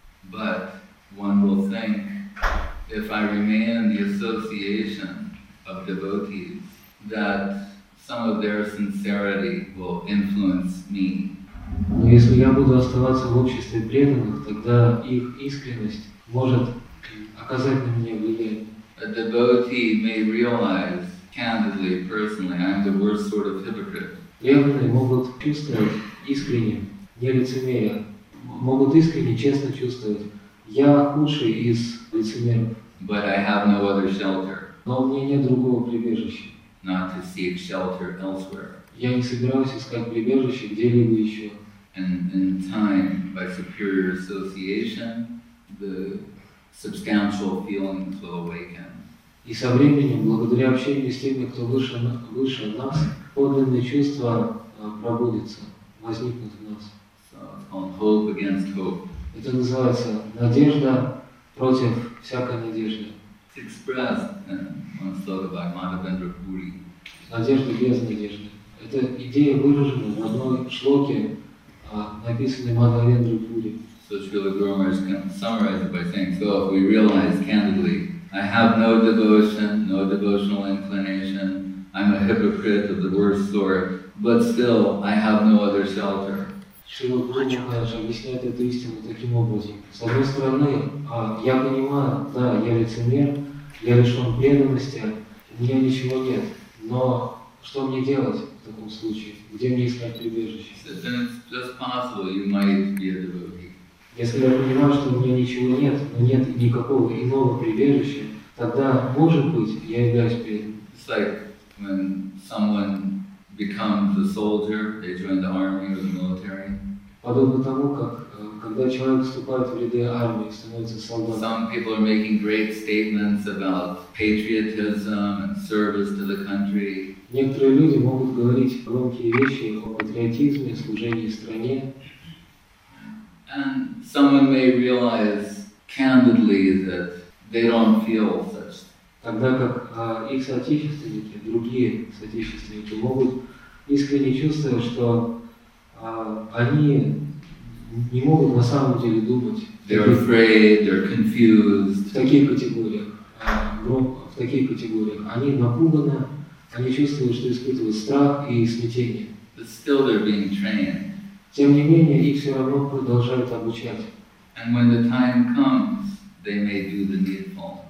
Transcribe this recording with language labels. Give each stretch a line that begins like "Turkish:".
English: But one will think, if I remain in the association of devotees, that some of their sincerity will influence me.
Russian: Но если я буду оставаться в обществе преданных, тогда их искренность может оказать на меня влияние.
English: A devotee may realize candidly, personally, I'm the worst sort of hypocrite.
Russian: Преданные могут чувствовать искренне, не лицемеря, могут искренне, честно чувствовать, я худший из лицемеров.
English: But I have no other shelter.
Russian: Но у меня нет другого прибежища.
English: Not to seek shelter elsewhere.
Russian: Я не собираюсь искать прибежище где-либо еще.
English: And in time, by superior association, the substantial feelings will awaken.
Russian: И со временем, благодаря общению с теми, кто выше нас, подлинные чувства пробудятся, возникнут в нас.
English: So it's called hope against hope.
Russian: Это называется надежда против всякой надежды.
English: It's expressed in one sloka by Madhavendra Puri.
Russian: Надежда без надежды. Эта идея выражена в одной шлоке, написанной Мадхавендрой Пури.
English: So Śrīla Guru Mahārāj can summarize it by saying, so if we realize candidly, I have no devotion, no devotional inclination, I'm a hypocrite of the worst sort, but still, I have no other shelter.
Russian: Śrīla Guru Mahārāj объясняет эту истину таким образом. С одной стороны, я понимаю, да, я лицемер, я лишён преданности, у меня ничего нет, но что мне делать? В таком случае, где мне искать прибежище?
English: So then it's just possible you might be a devotee.
Russian: Если я понимаю, что у меня ничего нет, но нет никакого иного прибежища, тогда, может быть, я являюсь преданным.
English: It's like when someone becomes a soldier, they join the army or the military.
Russian: Подобно тому, как когда человек вступает в ряды армии, становится солдатом.
English: Some people are making great statements about patriotism and service to the country.
Russian: Некоторые люди могут говорить громкие вещи о патриотизме, служении стране.
English: And someone may realize candidly that they don't feel such.
Russian: Тогда как их соотечественники, другие соотечественники могут искренне чувствовать, что они не могут на самом деле думать.
English: They're afraid, they're confused.
Russian: В таких категориях. Они напуганы. Они чувствуют, что испытывают страх и смятение.
English: But still they're being trained.
Russian: Тем не менее, их все равно продолжают обучать.
English: And when the time comes, they may do the needful.